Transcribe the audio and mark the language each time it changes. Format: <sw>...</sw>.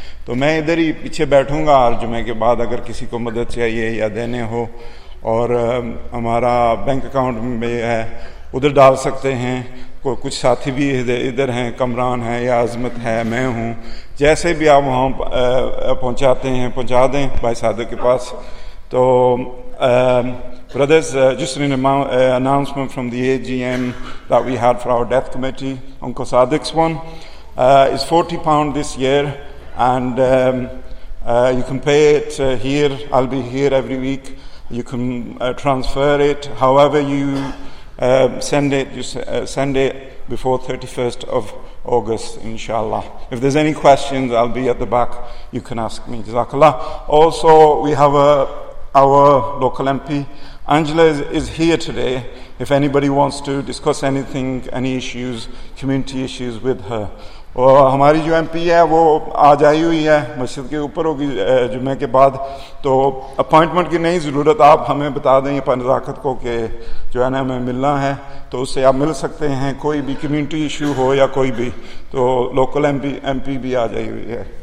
<ur>تو میں ادھر ہی پیچھے بیٹھوں گا اور جمعے کے بعد اگر کسی کو مدد چاہیے یا دینے ہو, اور ہمارا بینک اکاؤنٹ میں ہے ادھر ڈال سکتے ہیں. کچھ ساتھی بھی ادھر ہیں, کمران ہیں یا عظمت ہے, میں ہوں, جیسے بھی آپ وہاں پہنچاتے ہیں پہنچا دیں بھائی صادق کے پاس.</ur> <en>تو brothers, just an announcement from the AGM that we had for our death committee, Uncle Sadiq's one, is £40 this year, and you can pay it here. I'll be here every week. You can transfer it however you send it. Just send it before 31st of August, inshallah. If there's any questions, I'll be at the back, you can ask me. Jazakallah. Also, we have our local MP Angela is here today, if anybody wants to discuss anything, any issues, community issues with her.</en> <ur>اور ہماری جو M P ہے وہ آج آئی ہوئی ہے, مسجد کے اوپر ہوگی جمعے کے بعد, تو اپوائنٹمنٹ کی نہیں ضرورت, آپ ہمیں بتا دیں اپنی نزاکت کو کہ جو ہے نا ہمیں ملنا ہے, تو اس سے آپ مل سکتے ہیں. کوئی بھی کمیونٹی ایشو ہو یا کوئی بھی, تو لوکل ایم پی بھی آ جائی ہوئی ہے.</ur>